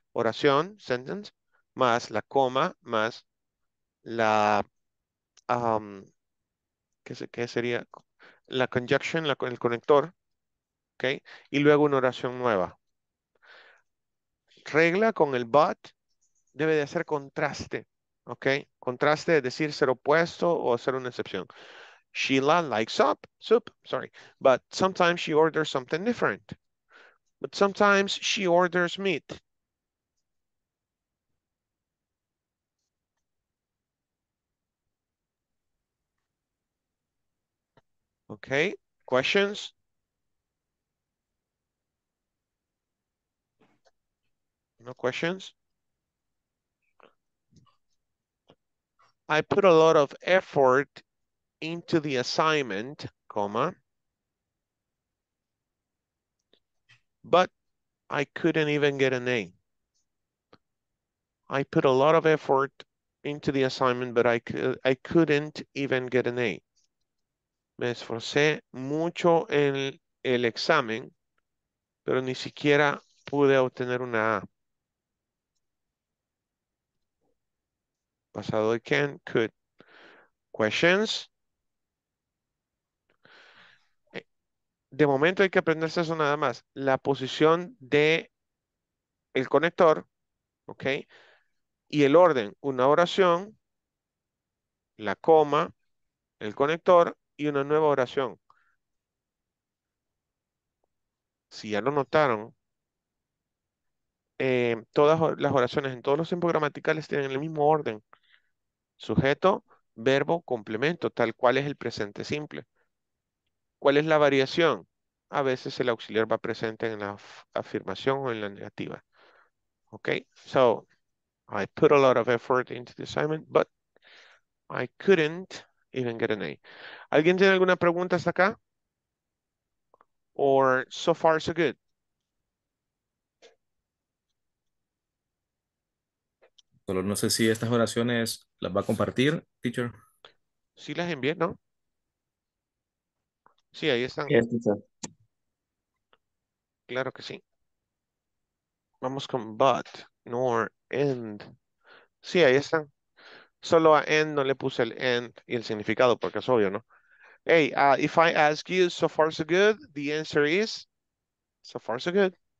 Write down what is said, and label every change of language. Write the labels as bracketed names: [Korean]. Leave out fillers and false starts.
[Spanish] Oración, sentence, más la coma, más la, ¿qué sería? La conjunction, el conector, ¿ok? Y luego una oración nueva. Regla con el but debe de hacer contraste, ¿ok? Contraste es decir ser opuesto o ser una excepción. [English] Sheila likes soup, but sometimes she orders something different. But sometimes she orders meat. Okay, questions? No questions? I put a lot of effort into the assignment, comma, but I couldn't even get an A. I put a lot of effort into the assignment, but I couldn't even get an A. [Spanish] Me esforcé mucho en el examen, pero ni siquiera pude obtener una A. Pasado de can, could. [English] Questions? [Spanish] De momento hay que aprenderse eso nada más. La posición de el conector, ¿ok? Y el orden, una oración, la coma, el conector y una nueva oración. Si ya lo notaron, todas las oraciones en todos los tiempos gramaticales tienen el mismo orden. Sujeto, verbo, complemento, tal cual es el presente simple. ¿Cuál es la variación? A veces el auxiliar va presente en la afirmación o en la negativa. [English] Okay, so I put a lot of effort into the assignment, but I couldn't even get an A. [Spanish] ¿Alguien tiene alguna pregunta hasta acá? [English] Or so far so good? [Spanish] Solo no sé si estas oraciones las va a compartir, teacher. Sí las envié, ¿no? Sí, ahí están. [English] Yes, teacher. [Spanish] Claro que sí. Vamos con but, nor, end. Sí, ahí están. Solo a end no le puse el end y el significado porque es obvio, ¿no? [English] Hey, if I ask you so far so good, the answer is so far so good.